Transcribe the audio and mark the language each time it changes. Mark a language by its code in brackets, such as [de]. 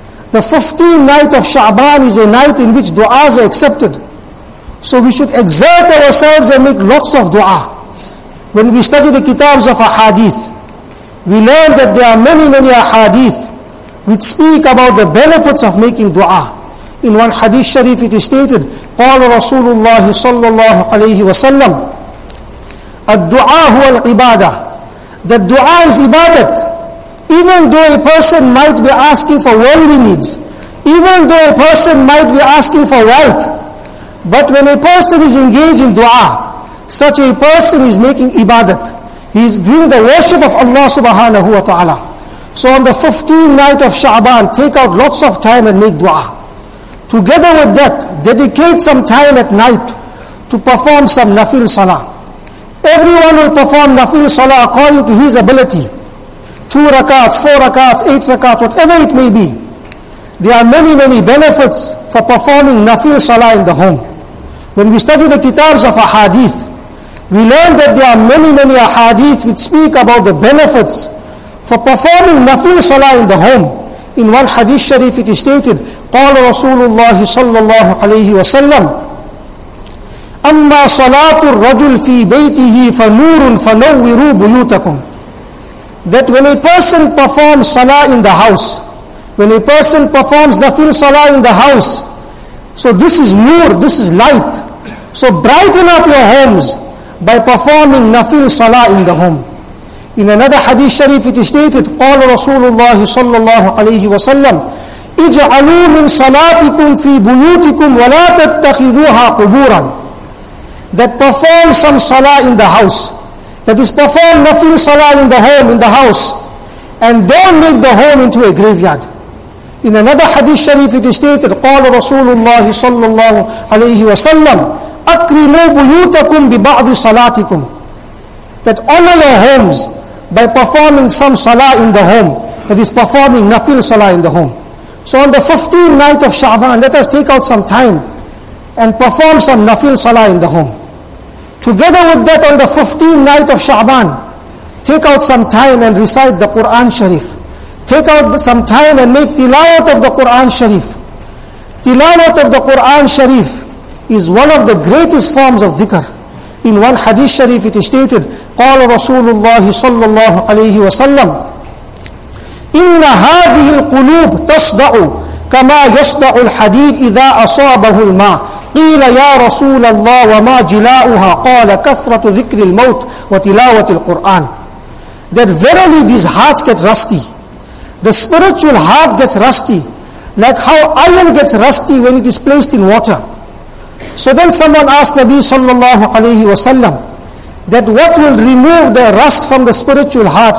[en] The 15th night of Sha'ban is a night in which du'as are accepted. So we should exert ourselves and make lots of dua. When we study the kitabs of ahadith, we learn that there are many ahadith which speak about the benefits of making dua. In one hadith sharif it is stated, [ar] قال رسول الله صلى الله عليه وسلم الدعاء هو العبادة. [en] That dua is ibadat. Even though a person might be asking for worldly needs, even though a person might be asking for wealth, but when a person is engaged in dua, such a person is making ibadat. He is doing the worship of Allah subhanahu wa ta'ala. So on the 15th night of Sha'ban, take out lots of time and make dua. Together with that, dedicate some time at night to perform some nafil salah. Everyone will perform nafil salah according to his ability. 2 rakats, 4 rakats, 8 rakats, whatever it may be. There are many benefits for performing nafil salah in the home. When we study the kitabs of ahadith, we learn that there are many ahadith which speak about the benefits for performing nafil salah in the home. In one hadith sharif it is stated, [ar] قَالَ رَسُولُ اللَّهِ صَلَّى اللَّهُ عَلَيْهِ وَسَلَّمْ أَمَّا صَلَاةُ الرَّجُلِ فِي بَيْتِهِ فَنُورٌ فَنَوِّرُوا بُيُوتَكُمْ. [en] That when a person performs salah in the house, when a person performs nafil salah in the house, so this is nur, this is light. So brighten up your homes by performing nafil salah in the home. In another hadith sharif it is stated, [ar] قَالَ رَسُولُ اللَّهِ صَلَّى اللَّهُ عَلَيْهِ وَسَلَّمْ اِجْعَلُوا مِن صَلَاتِكُمْ فِي بُيُوتِكُمْ وَلَا تَتَّخِذُوهَا قُبُورًا. [en] That perform some salah in the house. That is, perform nafil salah in the home, in the house. And don't make the home into a graveyard. In another hadith sharif it is stated, [ar] قَالَ رَسُولُ اللَّهِ صَلَّى اللَّهُ عَلَيْهِ وَسَلَّمْ أَكْرِمُوا بُيُوتَكُمْ بِبَعْضِ صَلَاتِكُمْ. [en] That honor your homes by performing some salah in the home. That is, performing nafil salah in the home. So on the 15th night of Sha'ban, let us take out some time and perform some nafil salah in the home. Together with that, on the 15th night of Sha'ban, take out some time and recite the Qur'an Sharif. Take out some time and make tilawat of the Qur'an Sharif. Tilawat of the Qur'an Sharif is one of the greatest forms of dhikr. In one hadith sharif it is stated, [ar] قَالَ رَسُولُ اللَّهِ صَلَّى اللَّهُ عَلَيْهِ وَسَلَّمْ إِنَّ هَذِهِ الْقُلُوبُ تَصْدَعُ كما يصنع الحديد إذا أصابه الماء قيل يا رسول الله وما جلاؤها قال كثرة ذكر الموت وتلاوة القرآن. [en] That verily these hearts get rusty. The spiritual heart gets rusty, like how iron gets rusty when it is placed in water. So then someone asked Nabi sallallahu alayhi wa sallam, that what will remove the rust from the spiritual heart?